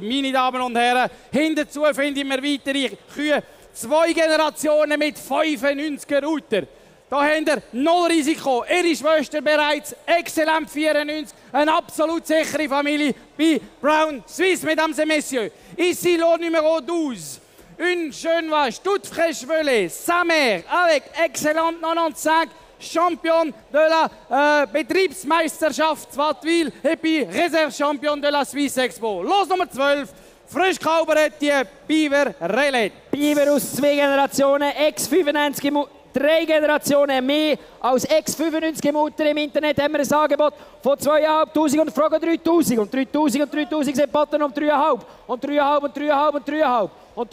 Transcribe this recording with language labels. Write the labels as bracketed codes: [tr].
[de] Meine Damen und Herren, hinzu finde ich mir weitere Kühe. Zwei Generationen mit 95er Router. Da habt ihr null Risiko. Ihre Schwester bereits, exzellent 94, eine absolut sichere Familie bei Brown Swiss, [fr] mesdames et messieurs. Ici le numéro 12. Une jeune vache, toute fraîche velée, sa mère, avec excellent 95, champion de la Betriebsmeisterschaft Wattwil et puis réserve champion de la Swiss Expo. [de] Los Nummer 12. Frisch gehaubert, die Biber Raylette. Biber aus zwei Generationen, ex-95 drei Generationen mehr als ex-95 Mutter im Internet haben wir ein Angebot von 2'500 und fragen 3'000. Und 3'000 und 3'000 sind Button um 3'500. Und 3'500 und 3'500 und 3'500.